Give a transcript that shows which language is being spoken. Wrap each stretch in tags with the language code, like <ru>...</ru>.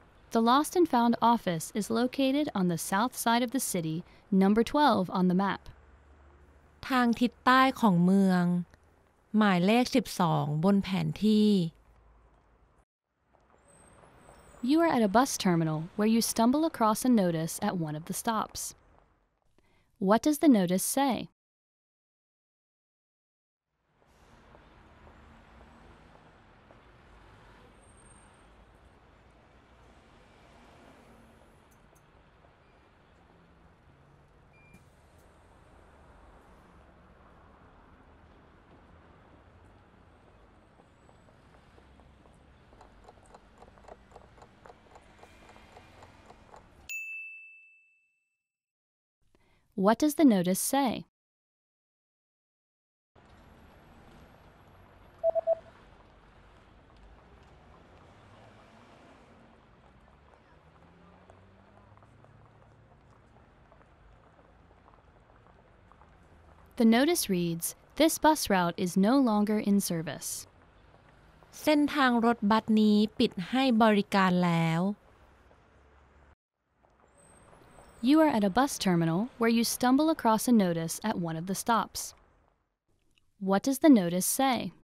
<en>The Lost and Found office is located on the south side of the city, number 12 on the map.</en> <th>ทางทิศใต้ของเมืองหมายเลข12บนแผนที่</th> <en>You are at a bus terminal where you stumble across a notice at one of the stops. What does the notice say? What does the notice say? The notice reads, "This bus route is no longer in service."</en> <th>เส้นทางรถบัสนี้ปิดให้บริการแล้ว</th> <en>You are at a bus terminal where you stumble across a notice at one of the stops. What does the notice say?</en>